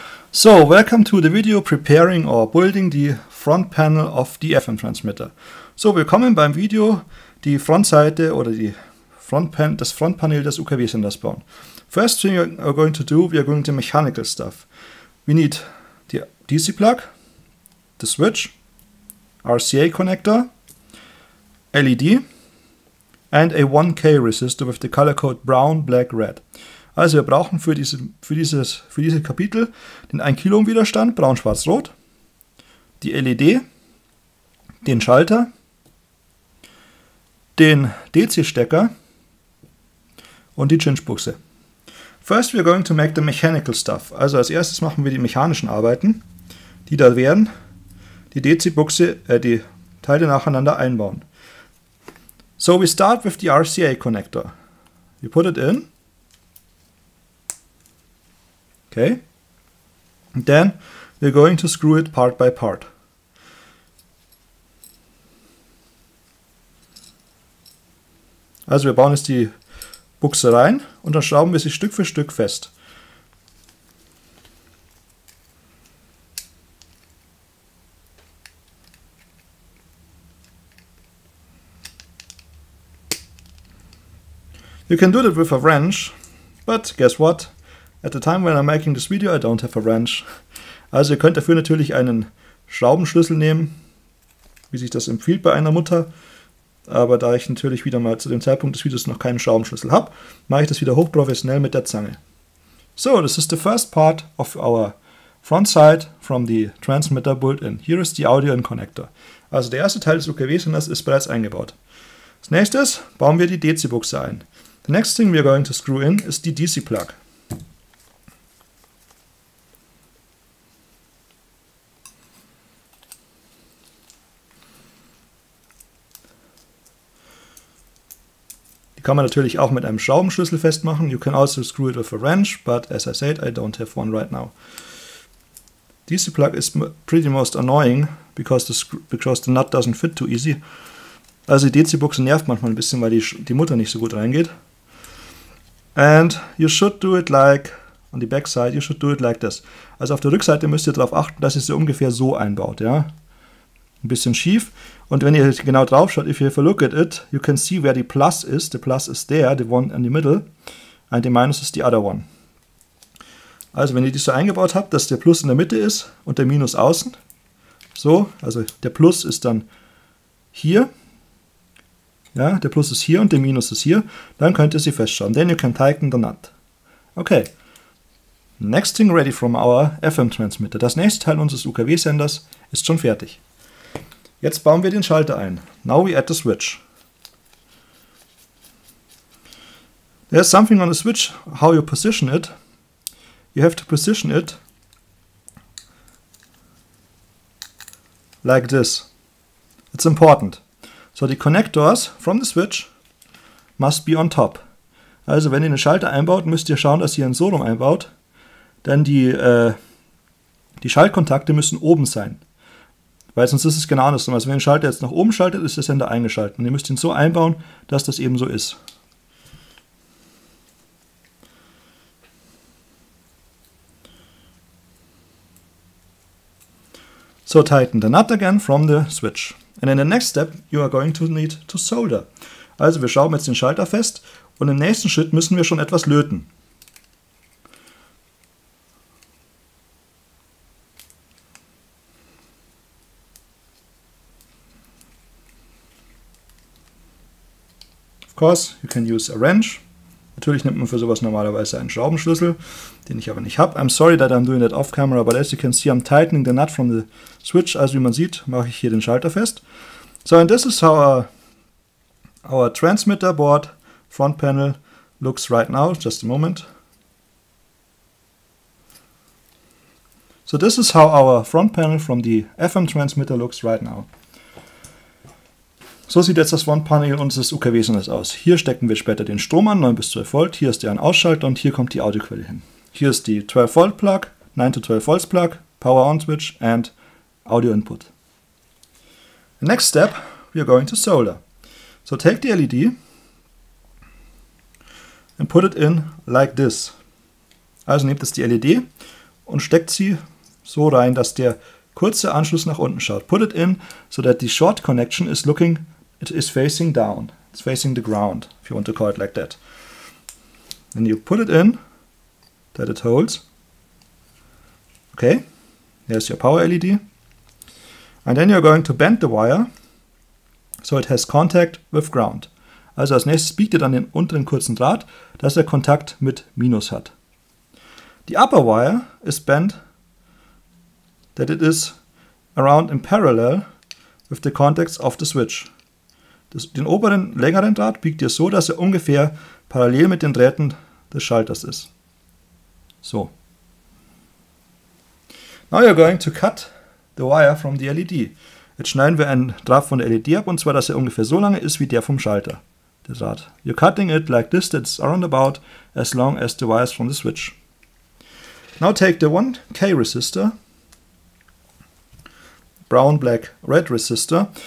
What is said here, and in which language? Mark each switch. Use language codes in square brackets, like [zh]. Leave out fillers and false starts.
[en] So, welcome to the video preparing or building the front panel of the FM transmitter. [de] So, willkommen beim Video, die Frontseite oder die das Frontpanel des UKW-Senders bauen. [en] First thing we are going to do, we are going to mechanical stuff. We need the DC plug, the switch, RCA connector, LED and a 1K resistor with the color code brown, black, red. [de] Also wir brauchen für dieses Kapitel den 1 Kilo Ohm Widerstand, braun, schwarz, rot, die LED, den Schalter, den DC-Stecker und die Chinch-Buchse. [en] First we're going to make the mechanical stuff. [de] Also als erstes machen wir die mechanischen Arbeiten, die da werden, die DC-Buchse, die Teile nacheinander einbauen. [en] So we start with the RCA connector. We put it in. Okay, and then we're going to screw it part by part. [de] Also wir bauen jetzt die Buchse rein und dann schrauben wir sie Stück für Stück fest. [en] You can do that with a wrench, but guess what? At the time when I'm making this video, I don't have a wrench. [de] Also ihr könnt dafür natürlich einen Schraubenschlüssel nehmen, wie sich das empfiehlt bei einer Mutter. Aber da ich natürlich wieder mal zu dem Zeitpunkt des Videos noch keinen Schraubenschlüssel habe, mache ich das wieder hochprofessionell mit der Zange. [en] So, this is the first part of our front side from the transmitter built-in. Here is the audio-in connector. [de] Also der erste Teil des UKW-Senders ist bereits eingebaut. Als nächstes bauen wir die DC-Buchse ein. [en] The next thing we are going to screw in [de] ist die [en] DC-Plug. [de] Kann man natürlich auch mit einem Schraubenschlüssel festmachen. [en] You can also screw it with a wrench, but as I said, I don't have one right now. DC plug is pretty most annoying, because the nut doesn't fit too easy. [de] Also die DC-Buchse nervt manchmal ein bisschen, weil die Mutter nicht so gut reingeht. [en] And you should do it like, on the back side, you should do it like this. [de] Also auf der Rückseite müsst ihr darauf achten, dass ihr sie ungefähr so einbaut, ja. Ein bisschen schief. Und wenn ihr genau drauf schaut, [en] if you have a look at it, you can see where the plus is. The plus is there, the one in the middle. And the minus is the other one. [de] Also wenn ihr die so eingebaut habt, dass der Plus in der Mitte ist und der Minus außen. So, also der Plus ist dann hier. Ja, der Plus ist hier und der Minus ist hier. Dann könnt ihr sie festschauen. [en] Then you can tighten the nut. Okay. Next thing ready from our FM Transmitter. [de] Das nächste Teil unseres UKW-Senders ist schon fertig. Jetzt bauen wir den Schalter ein. [en] Now we add the switch. There's something on the switch, how you position it. You have to position it like this. It's important. So the connectors from the switch must be on top. [de] Also wenn ihr einen Schalter einbaut, müsst ihr schauen, dass ihr einen Solum einbaut. Denn die Schaltkontakte müssen oben sein. Weil sonst ist es genau andersrum. Also wenn ihr den Schalter jetzt nach oben schaltet, ist der Sender eingeschaltet. Und ihr müsst ihn so einbauen, dass das eben so ist. [en] So, tighten the nut again from the switch. And in the next step, you are going to need to solder. [de] Also wir schrauben jetzt den Schalter fest und im nächsten Schritt müssen wir schon etwas löten. [en] Of course, you can use a wrench. [de] Natürlich nimmt man für sowas normalerweise einen Schraubenschlüssel, den ich aber nicht habe. [en] I'm sorry that I'm doing that off camera, but as you can see, I'm tightening the nut from the switch. [de] Also wie man sieht, mache ich hier den Schalter fest. [en] So, and this is how our transmitter board front panel looks right now. Just a moment. So, this is how our front panel from the FM transmitter looks right now. [de] So sieht jetzt das Frontpanel unseres UKW-Senders aus. Hier stecken wir später den Strom an, 9 bis 12 Volt. Hier ist der Ausschalter und hier kommt die Audioquelle hin. Hier ist die [en] 12 Volt Plug, 9 to 12 Volt Plug, Power On Switch and Audio Input. The next step, we are going to solder. So take the LED and put it in like this. [de] Also nehmt jetzt die LED und steckt sie so rein, dass der kurze Anschluss nach unten schaut. [en] Put it in, so that the short connection is looking, it is facing down. It's facing the ground, if you want to call it like that. Then you put it in, that it holds. Okay, there's your power LED. And then you're going to bend the wire, so it has contact with ground. [de] Also als nächstes biegt ihr dann den unteren kurzen Draht, dass er Kontakt mit Minus hat. [en] The upper wire is bent, that it is around in parallel with the contacts of the switch. [de] Das, den oberen längeren Draht biegt ihr so, dass er ungefähr parallel mit den Drähten des Schalters ist. So. [en] Now you're going to cut the wire from the LED. [de] Jetzt schneiden wir einen Draht von der LED ab, und zwar, dass er ungefähr so lange ist wie der vom Schalter. Der Draht. [en] You're cutting it like this, that's around about as long as the wires from the switch. Now take the 1K resistor, brown, black, red resistor.